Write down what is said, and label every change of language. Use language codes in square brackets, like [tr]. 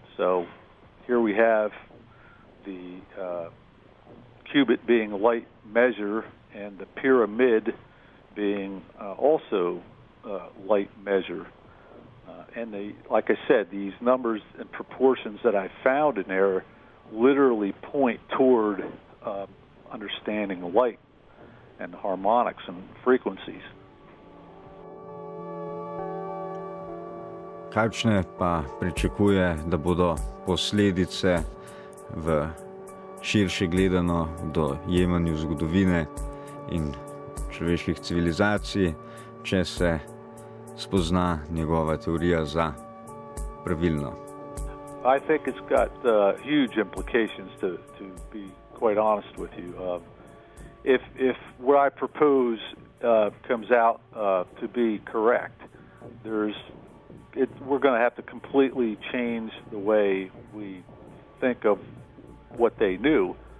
[en] So here we have the cubit being light measure, and the pyramid being also light measure. And they, like I said, these numbers and proportions that I found in there literally point toward understanding light and harmonics and frequencies. [sl] Kakšne pa pričakuje, da bodo posledice v širše gledano do jemanju zgodovine in človeških civilizacij, če se spozna njegova teorija za pravilno? [en] I think it's got huge implications, to be quite honest with you. If what I propose comes out to be correct, we're going to have to completely change the way we think of what they knew.